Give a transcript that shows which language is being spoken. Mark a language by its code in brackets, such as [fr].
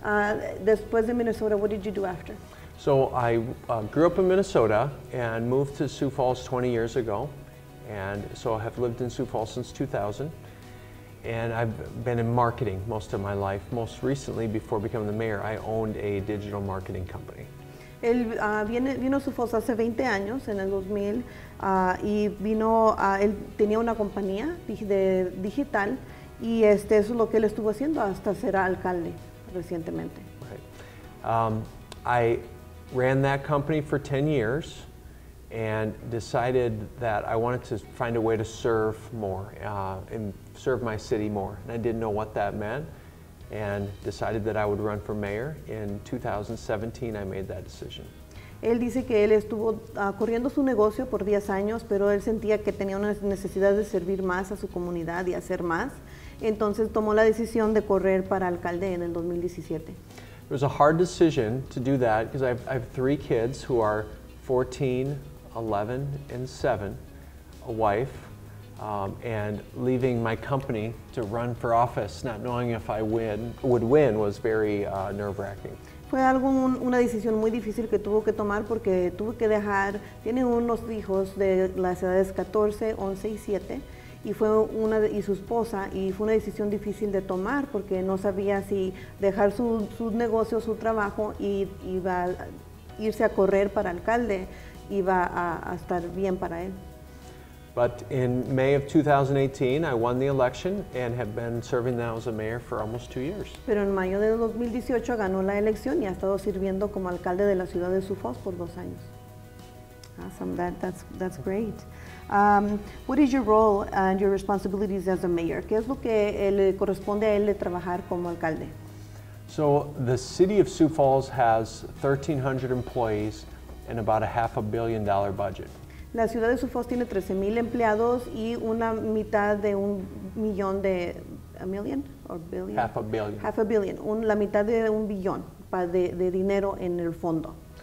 [es] Después de Minnesota, [en] what did you do after? So, I grew up in Minnesota and moved to Sioux Falls 20 years ago. And so, I have lived in Sioux Falls since 2000. And I've been in marketing most of my life. Most recently, before becoming the mayor, I owned a digital marketing company. [es] Él vino a Sioux Falls hace 20 años, en el 2000, y vino, él tenía una compañía de digital, y eso es lo que él estuvo haciendo hasta ser alcalde recientemente. [en] Right. I ran that company for 10 years. And decided that I wanted to find a way to serve more and serve my city more. And I didn't know what that meant, and decided that I would run for mayor. In 2017, I made that decision. [es] Él dice que él estuvo corriendo su negocio por 10 años, pero él sentía que tenía una necesidad de servir más a su comunidad y hacer más. Entonces tomó la decisión de correr para alcalde en el 2017. [en] It was a hard decision to do that because I have three kids who are 14, 11 and 7, a wife, and leaving my company to run for office, not knowing if I would win, was very nerve-wracking. [es] Fue una decisión muy difícil que tuvo que tomar porque tuve que dejar, tiene unos hijos de las edades 14, 11 y 7, y su esposa, y fue una decisión difícil de tomar porque no sabía si dejar su negocio, su trabajo, y iba a irse a correr para alcalde. Iba a estar bien para él. [en] But in May of 2018, I won the election and have been serving now as a mayor for almost 2 years. [es] Pero en mayo de 2018 ganó la elección y ha estado sirviendo como alcalde de la ciudad de Sioux Falls por 2 años. [en] Awesome, that's great. What is your role and your responsibilities as a mayor? [es] ¿Qué es lo que le corresponde a él de trabajar como alcalde? [en] So the city of Sioux Falls has 1,300 employees and about a half a billion dollar budget. [es] La ciudad de Sioux Falls tiene 13,000 empleados y una mitad de un millón de, [en] a million or billion? Half a billion. Half a billion, [es] la mitad de un billón de dinero en el fondo.